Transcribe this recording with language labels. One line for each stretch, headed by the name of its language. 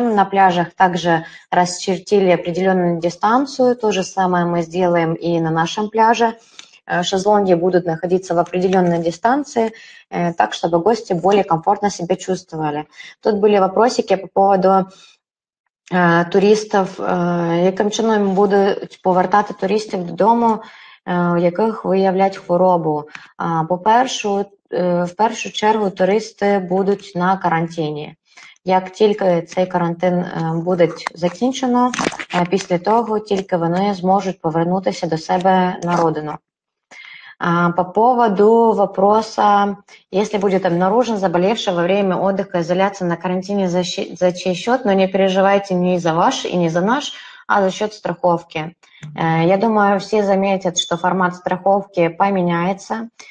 Russian: На пляжах также расчертили определенную дистанцию. То же самое мы сделаем и на нашем пляже. Шезлонги будут находиться в определенной дистанции, так, чтобы гости более комфортно себя чувствовали. Тут были вопросики по поводу туристов.
Ukrainian: Яким чином будуть повертати туристів додому, яких виявлять хворобу? В першу чергу туристи будуть на карантині. Як тільки цей карантин буде закінчено, після того тільки вони зможуть повернутися до себе на родину.
Russian: По поводу вопроса, если будет обнаружен заболевший во время отдыха, изоляция на карантине за чей счет, но не переживайте ни за ваш и ни за наш, а за счет страховки. Я думаю, все заметят, что формат страховки поменяется.